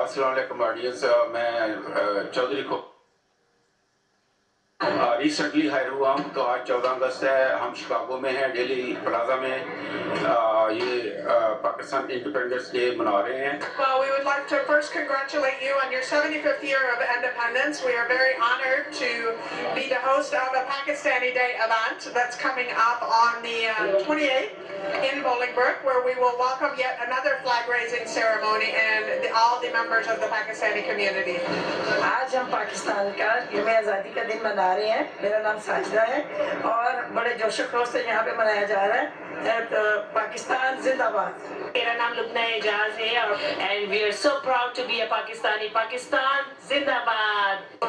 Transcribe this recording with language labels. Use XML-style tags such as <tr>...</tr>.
<hi>अस्सलाम वालेकुम ऑडियंस मैं चौधरी को रिसेंटली हायर हुआ हम, तो आज 14 अगस्त है, हम शिकागो में हैं, डेली प्लाजा में ये पाकिस्तान इंडिपेंडेंस डे मना रहे हैं।</hi> <en>Well, we would like to first congratulate you on your 75th year of independence. We are very honored to be the host of a Pakistani Day event that's coming up on the 28th in Bolingbroke, where we will welcome yet another flag raising ceremony and all the members of the Pakistani community.</en> <hi>आज हम पाकिस्तान का यूमे आजादी का दिन मना रहे हैं। मेरा नाम साजिदा है और बड़े जोश खरोश से यहाँ पे मनाया जा रहा है। पाकिस्तान जिंदाबाद। मेरा नाम लुबना एजाज है और</hi> <en>And we are so proud to be a Pakistani.</en> <hi>Pakistan जिंदाबाद।</hi>